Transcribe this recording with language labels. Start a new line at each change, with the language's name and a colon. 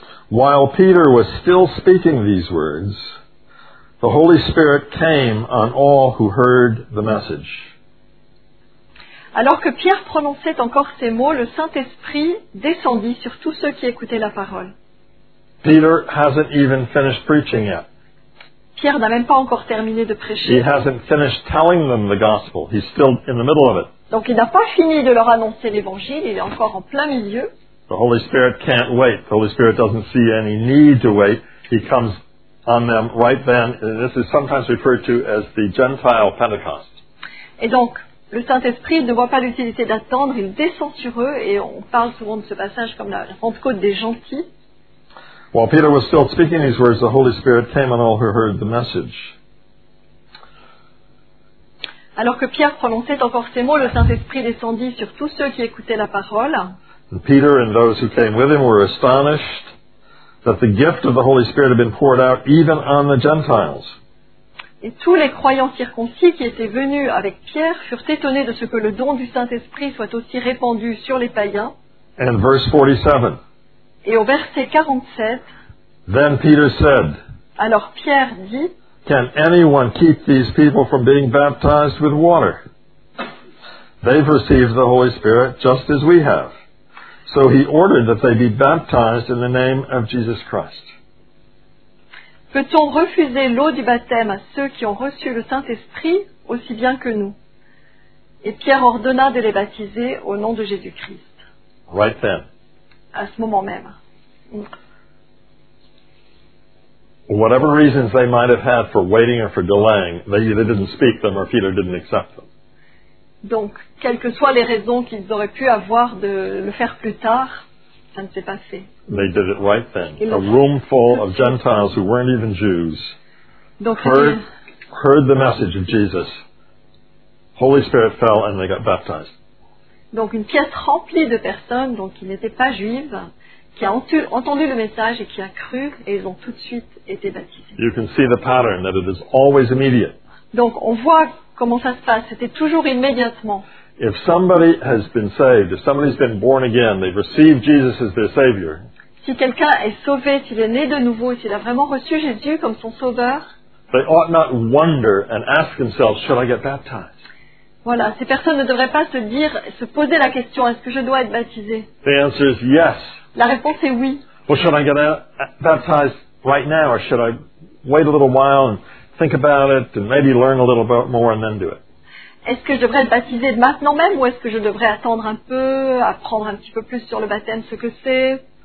English: While Peter was still speaking these words, the Holy Spirit came on all who heard the message.
French: Alors que Pierre prononçait encore ces mots, le Saint-Esprit descendit sur tous ceux qui écoutaient la parole.
English: Peter hasn't even finished preaching yet.
French: Pierre n'a même pas encore terminé de prêcher.
English: He hasn't finished telling them the gospel. He's still in the middle of it.
French: Donc il n'a pas fini de leur annoncer l'évangile, il est encore en plein milieu.
English: The Holy Spirit can't wait. The Holy Spirit doesn't see any need to wait. He comes on them right then. This is sometimes referred to as the Gentile Pentecost.
French: Et donc, le Saint-Esprit ne voit pas l'utilité d'attendre, il descend sur eux, et on parle souvent de ce passage comme la Pentecôte des gentils.
English: While Peter was still speaking these words, the Holy Spirit came on all who heard the message.
French: Alors que Pierre prononçait encore ces mots, le Saint-Esprit descendit sur tous ceux qui écoutaient la parole.
English: And Peter and those who came with him were astonished that the gift of the Holy Spirit had been poured out even on the Gentiles.
French: Et tous les croyants circoncis qui étaient venus avec Pierre furent étonnés de ce que le don du Saint-Esprit soit aussi répandu sur les païens.
English: And verse 47.
French: Et au verset 47.
English: Then Peter said.
French: Alors Pierre dit.
English: Can anyone keep these people from being baptized with water? They've received the Holy Spirit just as we have. So he ordered that they be baptized in the name of Jesus Christ.
French: Peut-on refuser l'eau du baptême à ceux qui ont reçu le Saint-Esprit aussi bien que nous? Et Pierre ordonna de les baptiser au nom de Jésus-Christ.
English: Right then.
French: À ce moment même.
English: Whatever reasons they might have had for waiting or for delaying, they either didn't speak them or Peter didn't accept them.
French: Donc, quelles que soient les raisons qu'ils auraient pu avoir de le faire plus tard, ça ne s'est pas fait.
English: They did it right then. A room full of Gentiles who weren't even Jews heard the message of Jesus. Holy Spirit fell and they got baptized.
French: Donc, une pièce remplie de personnes, donc qui n'étaient pas juives, qui a entendu le message et qui a cru, et ils ont tout de suite été baptisés.
English: You can see the pattern that it is always immediate.
French: Donc, on voit comment ça se passe. C'était toujours immédiatement.
English: If somebody has been saved, if somebody's been born again, they've received Jesus as their Savior.
French: Si quelqu'un est sauvé, s'il est né de nouveau, s'il a vraiment reçu Jésus comme son Sauveur,
English: they ought not wonder and ask themselves, should I get baptized?
French: Voilà, ces personnes ne devraient pas se dire, se poser la question, est-ce que je dois être baptisé?
English: The answer is yes.
French: La réponse est oui.
English: Well, should I get baptized right now, or should I wait a little while and think about it and maybe learn a little bit more and then do it?
French: Est-ce que je devrais être baptisé maintenant même, ou est-ce que je devrais attendre un peu, apprendre un petit peu plus sur le baptême, ce que c'est?